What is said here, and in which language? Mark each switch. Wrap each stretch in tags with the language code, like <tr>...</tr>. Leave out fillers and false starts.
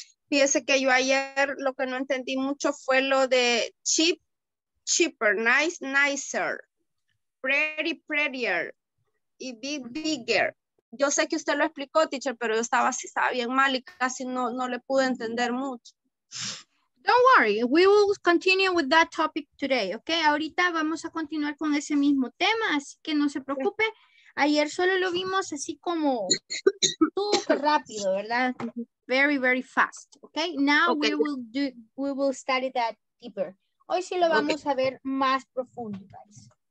<es>Fíjese que yo ayer lo que no entendí mucho fue lo de cheaper, nice, nicer, pretty, prettier y big, bigger. Yo sé que usted lo explicó, teacher, pero yo estaba así, estaba bien mal y casi no le pude entender mucho.</es> <en>Don't worry, we will continue with that topic today, ok?</en> <es>Ahorita vamos a continuar con ese mismo tema, así que no se preocupe. Ayer solo lo vimos así como súper rápido, ¿verdad?</es> <en>Very, very fast, ok? Now okay. we will study that deeper.</en> <es>Hoy sí lo vamos okay. a ver más profundo, guys.</es>